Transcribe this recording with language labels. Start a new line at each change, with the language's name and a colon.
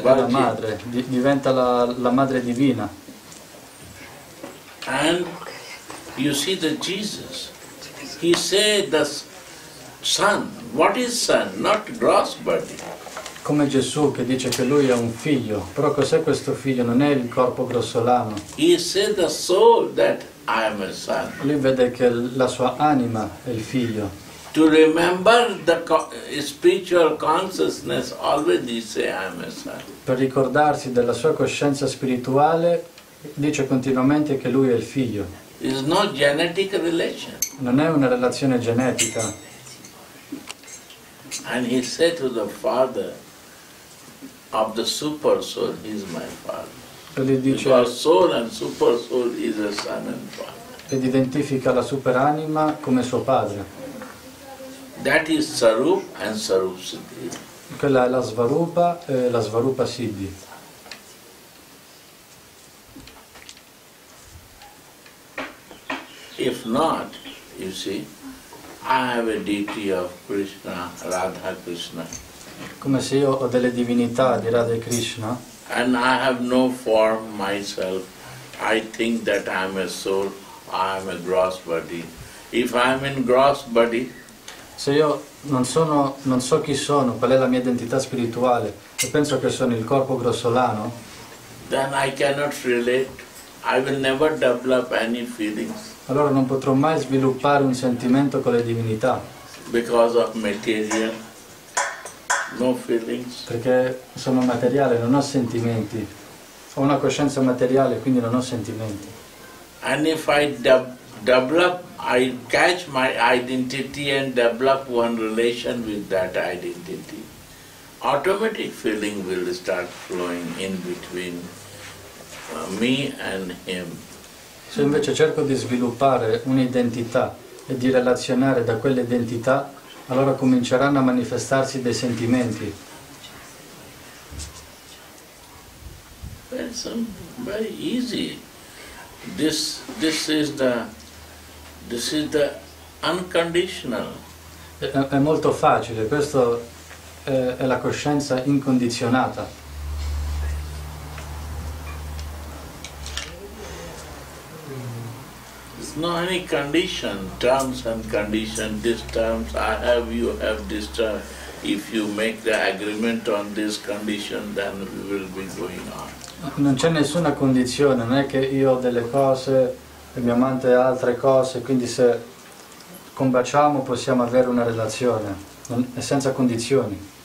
Italian: È la madre, diventa la madre divina.
English: And you see the Jesus. He said the son. What is son? Not gross body.
Italian: Come Gesù che dice che lui è un figlio. Però cos'è questo figlio? Non è il corpo grossolano.
English: He said the soul that I am a son.
Italian: Lui vede che la sua anima è il figlio.
English: to remember the spiritual consciousness already say I'm a son.
Italian: Per ricordarsi della sua coscienza spirituale dice continuamente che lui è il figlio.
English: It's no genetic relation.
Italian: Non è una relazione genetica.
English: And he said to the father of the super soul, he's my father.
Italian: E gli dice,
English: because soul and super soul is a son and father.
Italian: Ed identifica la superanima come suo padre.
English: That is Sarup and Sarup Siddhi.
Italian: Quella è la Svarupa e la Svarupa Siddhi.
English: If not, you see, I have a deity of Krishna, Radha Krishna.
Italian: Come se io ho delle divinità di Radha Krishna.
English: And I have no form myself. I think that I am a soul, I am a gross body. If I am in gross body.
Italian: Se io non so chi sono, qual è la mia identità spirituale, e penso che sono il corpo grossolano.
English: Then I cannot relate. I will never develop any feelings.
Italian: Allora non potrò mai sviluppare un sentimento con le divinità.
English: Because of material, no feelings.
Italian: Perché sono materiale, non ho sentimenti. Ho una coscienza materiale, quindi non ho sentimenti.
English: And if I develop, I catch my identity and develop one relation with that identity, automatic feeling will start flowing in between me and him.
Italian: Se invece cerco di sviluppare un'identità e di relazionare da quell'identità, allora cominceranno a manifestarsi dei sentimenti.
English: Very simple, very easy. This is the unconditional.
Italian: È molto facile, questo è la coscienza incondizionata.
English: No any condition, terms and condition, this terms, I have, you have this term. If you make the agreement on this condition, then we will be going on.
Italian: Non c'è nessuna condizione, non è che io ho delle cose, il mio amante ha altre cose, quindi se combaciamo possiamo avere una relazione, è senza condizioni.